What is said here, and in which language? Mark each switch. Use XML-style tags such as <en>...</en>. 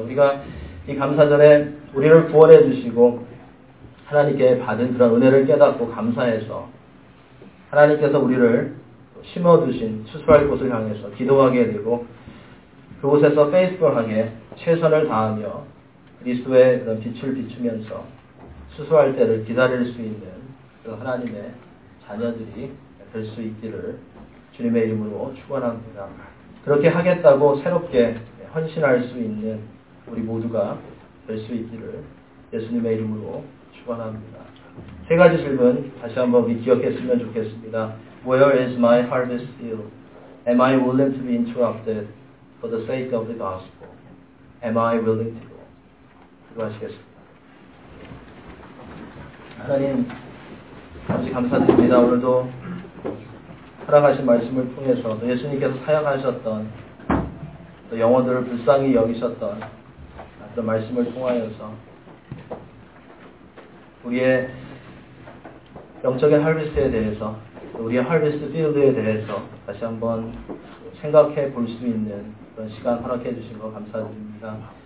<ko>우리가 이 감사절에 우리를 구원해 주시고 하나님께 받은 그런 은혜를 깨닫고 감사해서 하나님께서 우리를 심어두신 추수할 곳을 향해서 기도하게 되고 그곳에서 페이스풀하게 최선을 다하며 그리스도의 그런 빛을 비추면서 추수할 때를 기다릴 수 있는 그 하나님의 자녀들이 될 수 있기를 주님의 이름으로 축원합니다. 그렇게 하겠다고 새롭게 헌신할 수 있는 우리 모두가 될 수 있기를 예수님의 이름으로 축원합니다. 세 가지 질문 다시 한번 우리 기억했으면 좋겠습니다.</ko> <en>Where is my harvest field? Am I willing to be interrupted for the sake of the gospel? Am I willing to go?</en> <ko>기도하시겠습니다. 하나님, 아버지 감사드립니다. 오늘도 허락하신 말씀을 통해서 또 예수님께서 사역하셨던 또 영혼들을 불쌍히 여기셨던 또 말씀을 통하여서 우리의 영적인 할비스에 대해서 또 우리의 할비스 필드에 대해서 다시 한번 생각해 볼 수 있는 그런 시간 허락해 주신 거 감사드립니다.</ko>